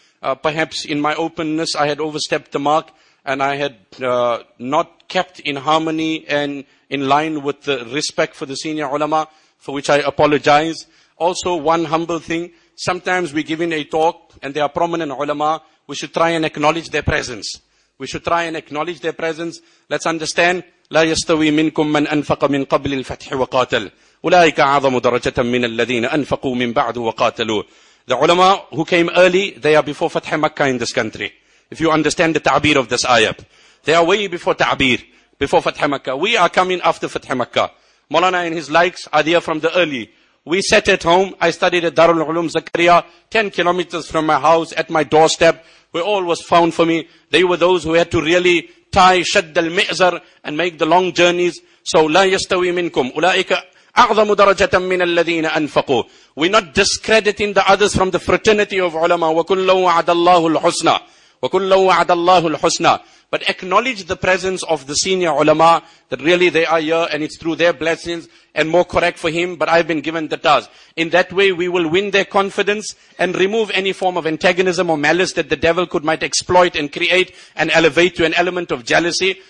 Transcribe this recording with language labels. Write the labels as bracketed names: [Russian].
[English] Perhaps in my openness I had overstepped the mark and I had not kept in harmony and in line with the respect for the senior ulama, for which I apologize. Also, one humble thing, sometimes we give in a talk and they are prominent ulama, we should try and acknowledge their presence. We should try and acknowledge their presence. Let's understand. [Arabic] لا يستوي منكم من أنفق من قبل الفتح وقاتل أولئك أعظم درجة من الذين أنفقوا من بعد وقاتلوا. [English] The ulama who came early, they are before Fatḥ Makkah in this country. If you understand the ta'bir of this ayah, they are way before ta'bir, before Fatḥ Makkah. We are coming after Fatḥ Makkah. Maulana and his likes are there from the early. We sat at home. I studied at Darul Ulum Zakaria, 10 kilometers from my house, at my doorstep, where all was found for me. They were those who had to really tie shadd al-mi'zar and make the long journeys. [Arabic] So, لا يستوي منكم أولئك أعظم درجة من الذين أنفقوا. [English] We're not discrediting the others from the fraternity of ulama. [Arabic] وَكُلَّوْ وَعَدَ اللَّهُ الْحُسْنَى وَكُلَّوْ وَعَدَ اللَّهُ الْحُسْنَى. [English] But acknowledge the presence of the senior ulama, that really they are here and it's through their blessings, and more correct for him, but I've been given the task. In that way, we will win their confidence and remove any form of antagonism or malice that the devil could might exploit and create and elevate to an element of jealousy.